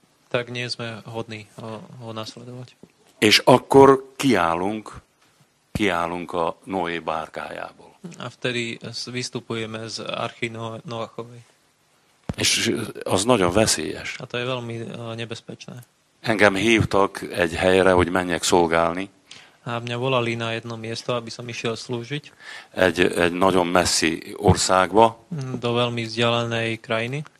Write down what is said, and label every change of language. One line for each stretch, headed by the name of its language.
Slovak: Tak nie sme hodní ho nasledovať.
Hungarian: És akkor kiállunk a Noé bárkájából.
Slovak: A vtedy vystupujeme z archy Noachovej.
Hungarian: És az nagyon veszélyes.
Slovak: A to je veľmi nebezpečné.
Hungarian: Engem hívtak egy helyre, hogy menjek szolgálni.
Slovak: A mňa volali na jedno miesto, aby som išiel slúžiť.
Hungarian: Egy nagyon messzi országba.
Slovak: Do veľmi vzdialenej krajiny.